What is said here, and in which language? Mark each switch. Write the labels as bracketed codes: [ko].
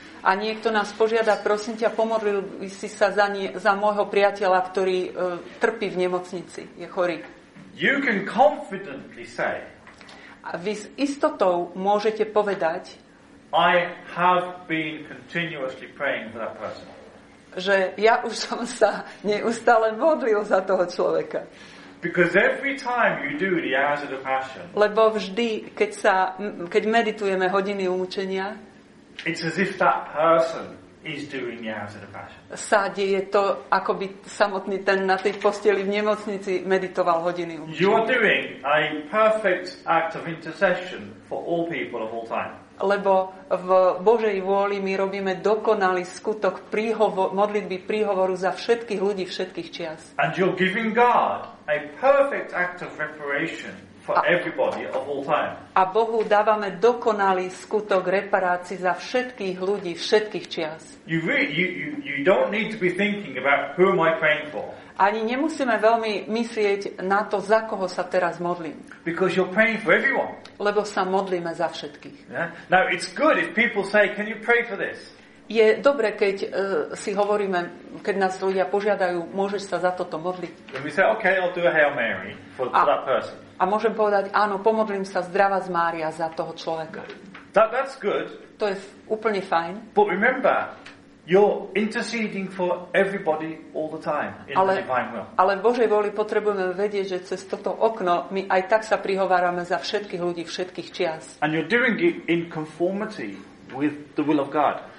[sk] A niekto nás požiada, prosím ťa, pomodlil by si sa za môjho priateľa, ktorý trpí v nemocnici, je chorý. [en] You can confidently say, [sk] a vy s istotou môžete povedať, [en] I have been continuously praying for that person. [sk] Že ja už som sa neustále modlil za toho človeka. [en] Because every time you do the hours of the passion, [sk] lebo vždy, keď meditujeme hodiny umučenia, [en] it's as if that person is doing the hours of the passion. [sk] Sa deje to, ako by samotný ten na tej posteli v nemocnici meditoval hodiny umučenia. [en] You are doing a perfect act of intercession for all people of all time. [sk] Lebo v Božej vôli my robíme dokonalý skutok modlitby príhovoru za všetkých ľudí všetkých čias. [en] And you're giving God a perfect act of reparation for everybody of all time. [sk] A Bohu dávame dokonalý skutok reparácie za všetkých ľudí všetkých čias. [en] You don't need to be thinking about who am I praying for. [sk] Ani nemusíme veľmi myslieť na to, za koho sa teraz modlím. [en] Because you're praying for everyone. [sk] Lebo sa modlíme za všetkých. [en] Yeah? Now it's good if people say, can you pray for this? [sk] Je dobre, keď si hovoríme, keď nás ľudia požiadajú, môžeš sa za toto modliť. [en] Then we say, okay, I'll do a Hail Mary for that person. [sk] A môžem povedať, áno, pomodlím sa zdravá z Mária za toho človeka. [en] That's good. [sk] To je úplne fajn. [en] But remember, you're interceding for everybody all the time in the divine will. [sk] Ale v Božej vôli potrebujeme vedieť, že cez toto okno my aj tak sa prihovárame za všetkých ľudí všetkých čias. [en] And you're doing it in conformity with the will of God.